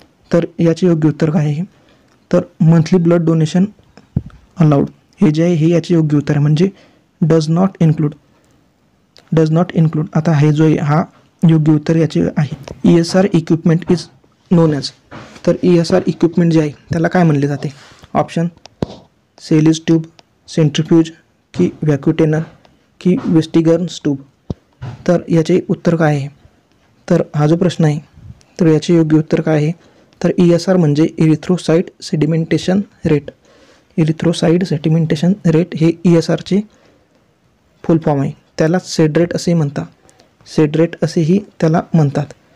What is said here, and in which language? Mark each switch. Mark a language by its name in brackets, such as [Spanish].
[Marathi] तर याचे योग्य उत्तर काय आहे? तर मंथली ब्लड डोनेशन अलाउड हे जे आहे हे याचे योग्य उत्तर आहे, म्हणजे [English] Does not include, does not include. [Marathi] आता हे जो हा योग्य उत्तर याचे आहे. [English] ESR equipment is known as, [Marathi] तर ESR इक्विपमेंट जे आहे त्याला काय म्हणले जाते? ऑप्शन सेलिस ट्यूब, सेंट्रीफ्यूज की व्हॅक्युटेनर की वेस्टिगर्न स्टूब. तर याचे उत्तर काय आहे? तर हा जो प्रश्न आहे तर याचे योग्य उत्तर काय आहे? तर ESR म्हणजे इरिथ्रोसाईट सेडिमेंटेशन रेट. इरिथ्रोसाईट सेडिमेंटेशन रेट हे ESRचे फुल फॉर्म आहे, त्याला सेड रेट असेही म्हणतात, सेड रेट असेही त्याला म्हणतात.